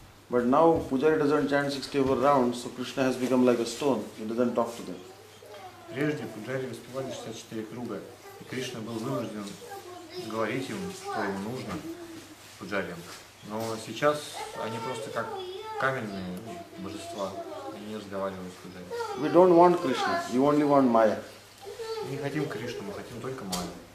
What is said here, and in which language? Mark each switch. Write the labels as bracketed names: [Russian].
[English] But now pujari doesn't chant 64 rounds, so Krishna has become like a stone. He doesn't talk to them. [Russian] Прежде пуджари воспевали 64 круга, и Кришна был вынужден говорить им, что ему нужно пуджариям. Но сейчас они просто как каменные божества, они не разговаривают с пуджари. [English] We don't want Krishna, we only want Maya. [Russian] Мы не хотим Кришну, мы хотим только Майю.